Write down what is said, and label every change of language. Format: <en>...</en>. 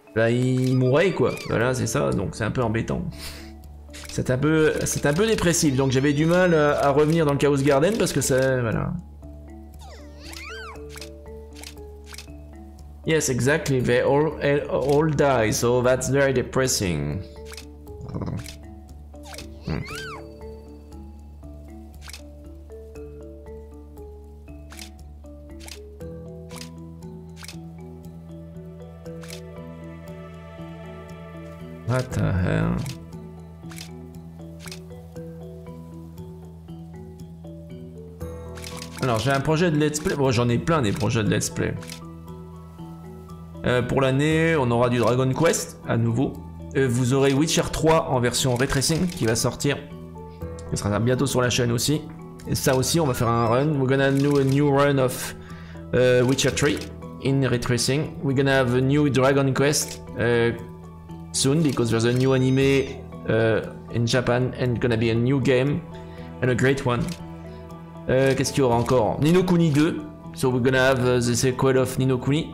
<fr>il mourait, quoi. Voilà, c'est ça, donc c'est un peu embêtant. C'est un peu dépressif, donc j'avais du mal à revenir dans le Chaos Garden, parce que c'est... voilà.</fr> <en>Yes, exactly, they all die, so that's very depressing. What the hell?</en> <fr>Alors j'ai un projet de let's play. Bon, j'en ai plein des projets de let's play. Pour l'année, on aura du Dragon Quest à nouveau. Vous aurez Witcher 3 en version Ray Tracing qui va sortir. Ce sera bientôt sur la chaîne aussi. Et ça aussi, on va faire un run.</fr> <en>We're gonna do a new run of Witcher 3 in Ray Tracing. We're gonna have a new Dragon Quest soon because there's a new anime in Japan and gonna be a new game and a great one.</en> <fr>Qu'est-ce qu'il y aura encore?</fr> <en>Ni no Kuni 2. So we're gonna have the sequel of Ni no Kuni.</en>